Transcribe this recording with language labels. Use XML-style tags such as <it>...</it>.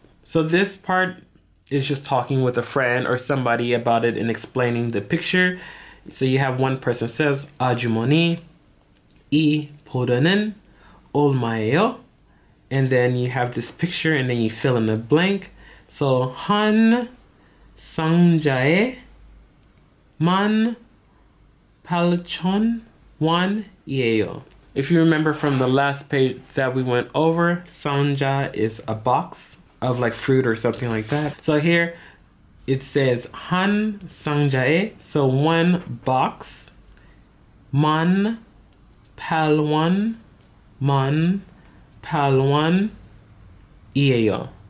<en>So this part is just talking with a friend or somebody about it and explaining the picture. So you have one person says, 아주머니, 이 포도는 얼마예요? And then you have this picture and then you fill in the blank.</en> <ko>So 한 상자에 만 팔천 원이에요.</ko> <en>If you remember from the last page that we went over, 상자 is a box of like fruit or something like that. So here it says 한 상자에, so one box, 만 팔원, 만 팔원이에요.</en>